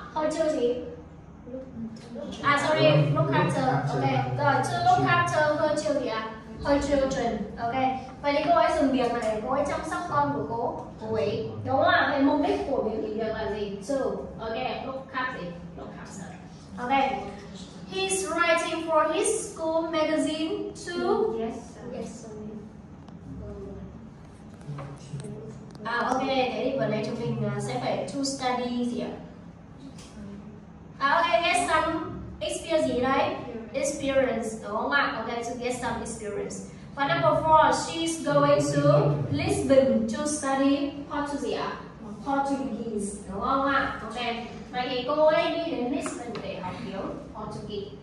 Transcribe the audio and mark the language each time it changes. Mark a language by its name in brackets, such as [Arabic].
[Vietnamese] Hồi chưa gì? À [English] sorry, look after. [Vietnamese] Ok, rồi [English] to look after [Vietnamese] hồi chưa gì ạ? Hồi children, ok. Vậy thì cô ấy dùng việc này, cô ấy chăm sóc con của cô. Cô ấy. Đúng rồi, vậy mục đích của việc thì việc là gì? [English] To, ok, look after. Ok. He's writing for his school magazine to... Yes, sir. Yes, sir. [Vietnamese] À ok, thế thì vấn đề chúng mình sẽ phải [English] to study [Vietnamese] gì ạ? À ok, [English] get some experience [Vietnamese] gì đấy? Experience, đúng không ạ? [English] Ok, to get some experience. Và number 4, she's going to Lisbon to study Portuguese [Vietnamese] gì ạ? [English] Portuguese, [Vietnamese] đúng không ạ? Ok, vậy thì cô ấy đi đến Lisbon để học tiếng Portuguese.